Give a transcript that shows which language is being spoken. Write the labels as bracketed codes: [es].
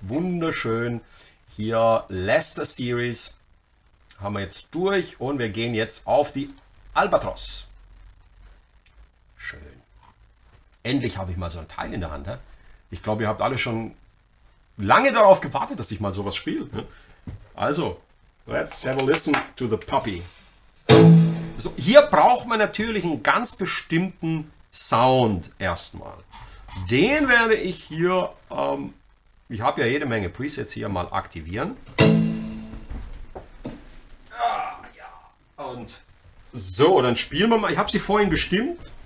[de] Wunderschön. Hier Leicester Series. Haben wir jetzt durch. Und wir gehen jetzt auf die Albatros. Schön. Endlich habe ich mal so ein Teil in der Hand. He? Ich glaube, ihr habt alle schon lange darauf gewartet, dass ich mal sowas spiele. He? Also... [en] Let's have a listen to the puppy. [de] So, hier braucht man natürlich einen ganz bestimmten Sound erstmal. Den werde ich hier, ich habe ja jede Menge Presets hier, mal aktivieren. Ah, ja. Und so, dann spielen wir mal. Ich habe sie vorhin gestimmt.